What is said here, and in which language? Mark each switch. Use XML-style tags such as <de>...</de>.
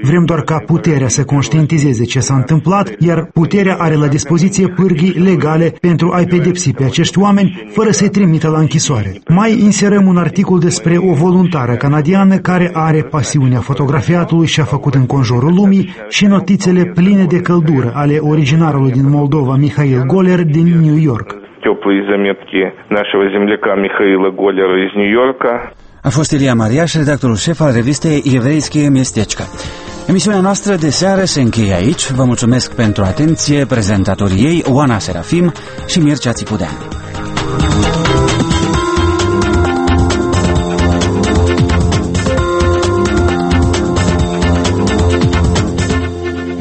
<ro>Vrem doar ca puterea să conștientizeze ce s-a întâmplat, iar puterea are la dispoziție pârghii legale pentru a-i pedepsi pe acești oameni fără să-i trimită la închisoare. Mai inserăm un articol despre o voluntară canadiană care are pasiunea fotografiatului și a făcut înconjurul lumii și notițele pline de căldură ale originarului din Moldova, Mihail</ro> <ru>Голлер из Нью-Йорка. Теплые заметки нашего земляка Михаила Голлера из Нью-Йорка.</ru> <ro>A fost Ilia Mariaș, redactorul șef al revistei Evreiske Mestečka. Emisiunea noastră de seară se încheie aici. Vă mulțumesc pentru atenție, prezentatorii ei, Oana Serafim și Mircea Țipudean.</ro>